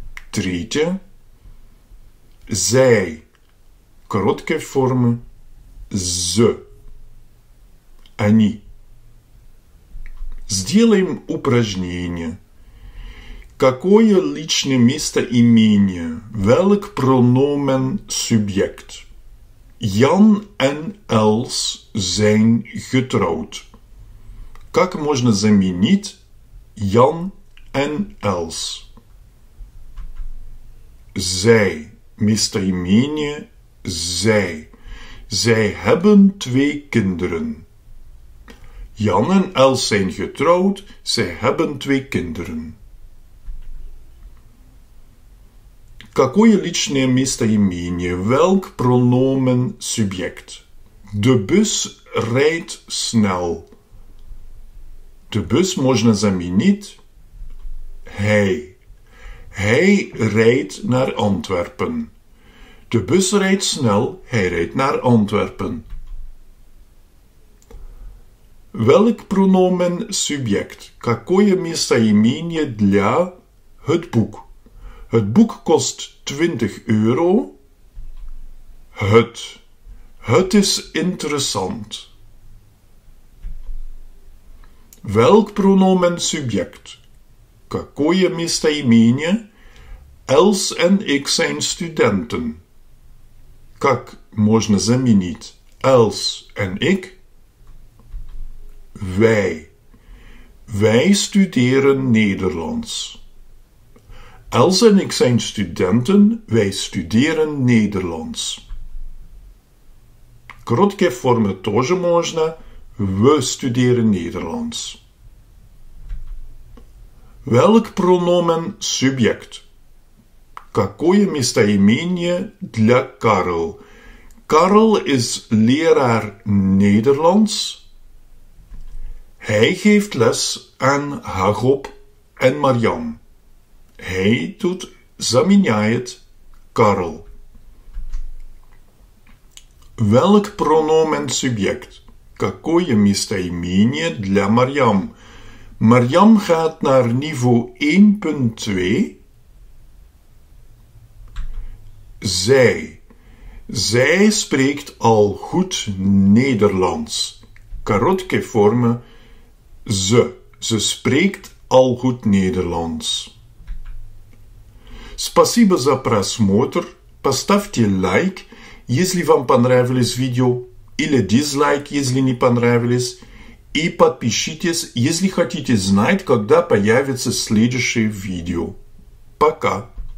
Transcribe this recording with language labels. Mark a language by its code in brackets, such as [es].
[ru] Третье. Zij. Короткой формы «з», «они». Сделаем упражнение. Какое личное местоимение? [nl] Welk pronomen subject? Jan en Els zijn getrouwd. [ru] Как можно заменить Jan en Els? [nl] Zij, [ru] местоимение [nl] Zij. Zij hebben twee kinderen. Jan en Els zijn getrouwd. Zij hebben twee kinderen. [ru] Какое личное местоимение? [nl] Welk pronomen subject? De bus rijdt snel. De bus [ru] можно заменить. [nl] Hij. Hij rijdt naar Antwerpen. De bus rijdt snel, hij rijdt naar Antwerpen. Welk pronomen subject? [ru] Какое местоимение для [nl] het boek? Het boek kost 20 euro. Het. Het is interessant. Welk pronomen subject? [ru] Какое местоимение? [nl] Els en ik zijn studenten. [ru] Как можно заменить [nl] Els en ik? Wij. Wij studeren Nederlands. Els en ik zijn studenten. Wij studeren Nederlands. [ru] Короткая форма тоже можно. [nl] We studeren Nederlands. Welk pronomen subject? [ru] какое местоимение для Карл? [nl] Карл is leraar Nederlands. Hij geeft les aan Hagop en Marjan. Hij doet [ru] заменяет [nl] Карл. Welk pronomen subject? [ru] Какое местоимение для Марьям? [nl] Марьям gaat naar niveau 1.2. Zij. Zij spreekt al goed Nederlands. [ru] Короткие формы. Ze. [nl] Ze spreekt al goed Nederlands. [ru] Спасибо за просмотр. Поставьте лайк. Если вам понравилось видео, или дизлайк, если не понравилось, и подпишитесь, если хотите знать, когда появится следующее видео. Пока!